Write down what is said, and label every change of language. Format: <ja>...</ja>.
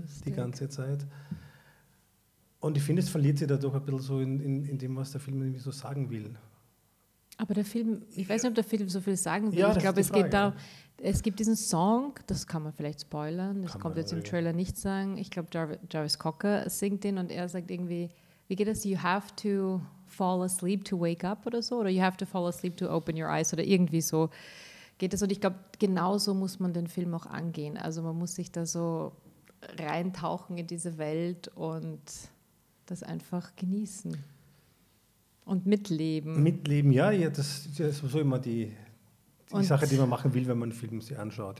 <de>Lustig. Die ganze Zeit. Und ich finde, es verliert sich dadurch ein bisschen so in dem, was der Film irgendwie so sagen will. Aber der Film, ich weiß nicht, ob der Film so viel sagen will. Ja, ich glaube, es geht darum, es gibt diesen Song, das kann man vielleicht spoilern, das kann kommt jetzt im Trailer nicht sagen. Ich glaube, Jarvis Cocker singt den und er sagt irgendwie, wie geht das?</de> <en>You have to fall asleep to wake up</en> <de>oder so? Oder</de> <en>you have to fall asleep to open your eyes?</en> <de>Oder irgendwie so. Geht das? Und ich glaube, genauso muss man den Film auch angehen. Also man muss sich da so reintauchen in diese Welt und das einfach genießen und mitleben. Mitleben, ja, das ist sowieso immer die die Sache, die man machen will, wenn man einen Film sich anschaut.</de>